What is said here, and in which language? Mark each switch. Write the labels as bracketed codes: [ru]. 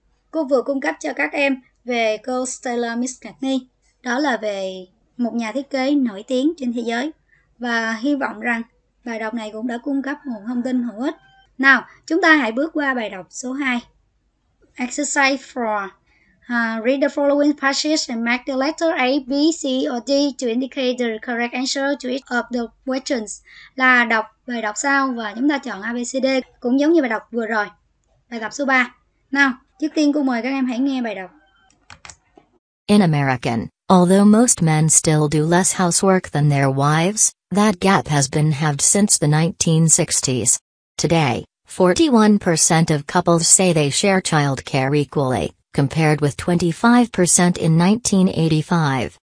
[vi] Cô vừa cung cấp cho các em về cô Stella Miss Cagney. Đó là về một nhà thiết kế nổi tiếng trên thế giới. Và hy vọng rằng bài đọc này cũng đã cung cấp một thông tin hữu ích. Nào, chúng ta hãy bước qua bài đọc số 2. [en] Exercise 4. Read the following passages and mark the letter A, B, C or D to indicate the correct answer to each of the questions. [vi] Là đọc bài đọc sau và chúng ta chọn A, B, C, D cũng giống như bài đọc vừa rồi. Bài tập số 3. Nào, trước tiên cô mời các em hãy nghe bài đọc. [en] In American, although most men still do less housework than their wives, that gap has been halved since the 1960s. Today, 41% of couples say they share childcare equally, compared with 25% in 1985.